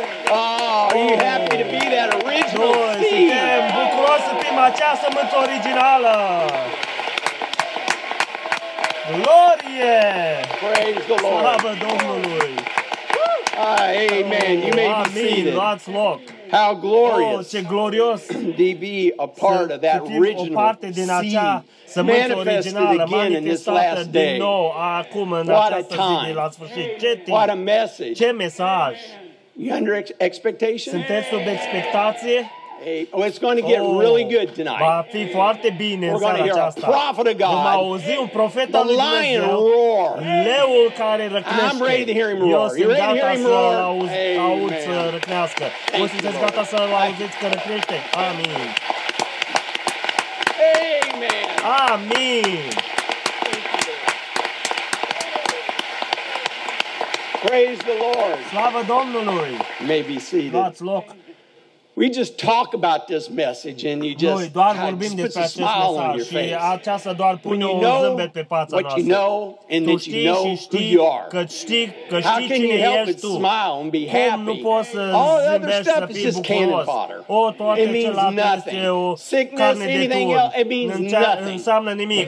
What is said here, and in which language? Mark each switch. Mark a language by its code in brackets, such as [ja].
[en] Are you happy to be that original seed? [ro] Noi suntem bucuroși să fim acea sămânță originală! Glorie! [en] Praise the Lord! [ro] Slavă Domnului! [en] Amen. You may be seated. God's look. How glorious. [ro] Oh, ce glorios. [en] To be a part of that original. [ro] O parte din acea sămânță originală manifestată din nou acum în această zi de la sfârșit. [en] What a message. [ro] Ce mesaj. [en] You under expectation? [ro] Sunteți sub expectație? [en] Hey, oh, it's going to get really good tonight. [ro] Va fi foarte bine în seara aceasta. [en] We're going to hear a prophet of God. [ro] Vom auzi un profet al lui Dumnezeu. [en] The lion roar. [ro] Leul care răcnește. [en] I'm ready to hear him roar. You ready to hear him roar? [ro] Auzi să răcnească. Vă sunteți gata să auziți că răcnește? Amin. [en] Amen. [ro] Amin. [en] Praise the Lord. [ro] Slava Domnului. [en] You may be seated. [ro] Luați loc. [en] We just talk about this message and you just [ro] noi doar vorbim despre acest mesaj și aceasta doar pune [en] you [ro] o zâmbet pe fața noastră. [en] You know and [ro] tu știi [en] you know [ro] și știi că știi că știi cine ești tu. Cum nu poți să zâmbești să fii bucuros? O, toate celălalt este o carne de tur. Înseamnă nimic.